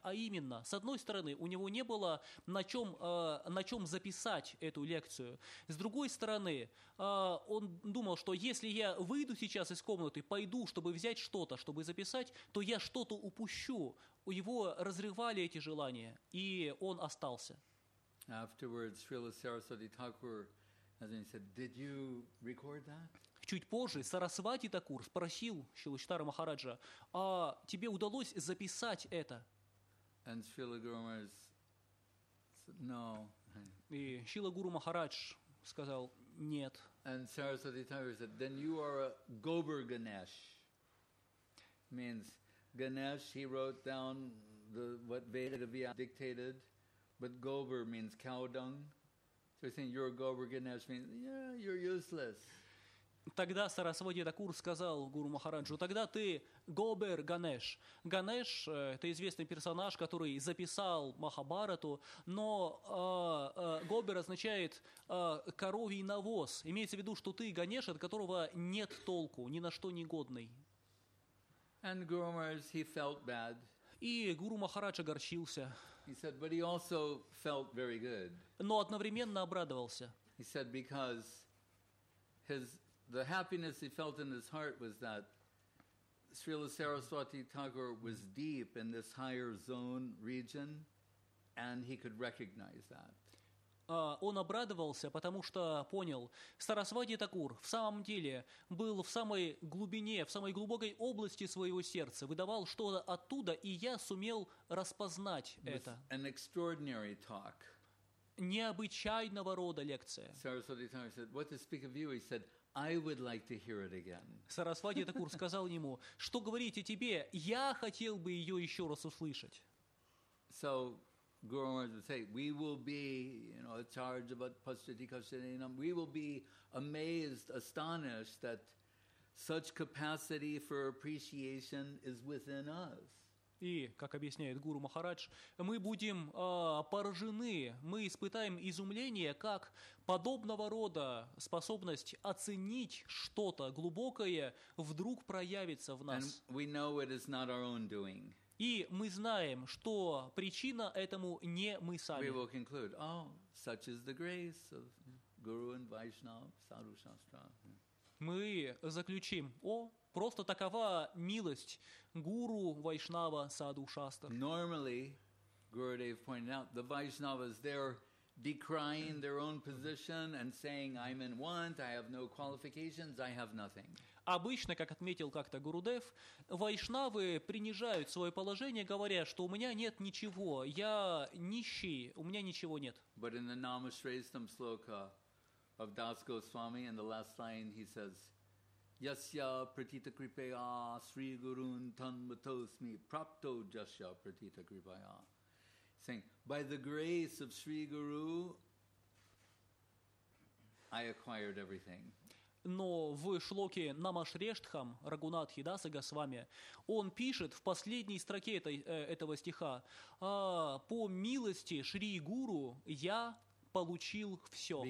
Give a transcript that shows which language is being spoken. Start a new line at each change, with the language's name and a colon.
Russian: А именно, с одной стороны, у него не было на чем записать эту лекцию. С другой стороны, он думал, что если я выйду сейчас из комнаты, пойду, чтобы взять что-то, чтобы записать, то я что-то упущу. У него разрывали эти желания, и он остался.
English: Afterwards, Srila Saraswati Thakur, as he said, did you record that?
Russian: Чуть позже Сарасвати Такур спросил Шрилу Читара Махараджа, а тебе удалось записать это?
English: And Srila Guru Maharaj said, no.
Russian: И Шрила Гуру Махарадж сказал, нет.
English: And Saraswati Thakur said, then you are a Gobar Ganesh. Means Ganesh, he wrote down what Vedic Vyas dictated. But Gobar means cow dung. So you're saying you're a Gobar Ganesh means, yeah, you're useless.
Russian: Тогда Сарасвати Такур сказал Гуру Махараджу, тогда ты Гобар Ганеш. Ганеш – это известный персонаж, который записал Махабарату, но Гобар означает коровий навоз. Имеется в виду, что ты Ганеш, от которого нет толку, ни на что не годный.
English: And Guru Maharaj, he felt bad.
Russian: И Гуру Махарадж огорчился.
English: He said, but he also felt very good.
Russian: Но одновременно обрадовался.
English: He said, because the happiness he felt in his heart was that Srila Saraswati Thakur was deep in this higher zone region, and he could recognize that.
Russian: Он обрадовался, потому что понял, Сарасвати Такур в самом деле был в самой глубине, в самой глубокой области своего сердца, выдавал что-то оттуда, и я сумел распознать это.
English: An extraordinary talk.
Russian: необычайного рода лекция.
English: Сарасвати Тхакур said, what to speak of you? He said, I would like to hear it again.
Russian: Сарасвати Тхакур сказал ему, что говорить о тебе, я хотел бы ее еще раз услышать.
English: So, Guru Maharaj would say, we will be, you know, charge about Pashyati Kashyatinam, we will be amazed, astonished that such capacity for appreciation is within us.
Russian: И, как объясняет Гуру Махарадж, мы будем поражены, мы испытаем изумление, как подобного рода способность оценить что-то глубокое вдруг проявится в нас.
English: And we know it is not our own doing.
Russian: И мы знаем, что причина этому не мы сами.
English: We will conclude, oh, such is the grace of Guru and Vaishnava, Sadhu Shastra.
Russian: Мы заключим, о, просто такова милость Гуру, Вайшнава, Саду, Шастр.
English: Normally, Gurudev pointed out, the Vaishnavas, they're decrying their own position and saying, I'm in want, I have no qualifications, I have nothing.
Russian: Обычно, как отметил как-то Гурудев, вайшнавы принижают свое положение, говоря, что у меня нет ничего, я нищий, у меня ничего нет.
English: But in the Namashrestham sloka of Das Goswami, in the last line, he says,
Sanskrit: Yasya pratita kripaya sri gurun tanmatosmi prapto jasya pratita kripaya.
English: Saying, by the grace of Sri Guru, I acquired everything.
Russian: Но в шлоке Намашрештхам Рагунат Хидаса Госвами он пишет в последней строке этого стиха, по милости Шри Гуру я получил все.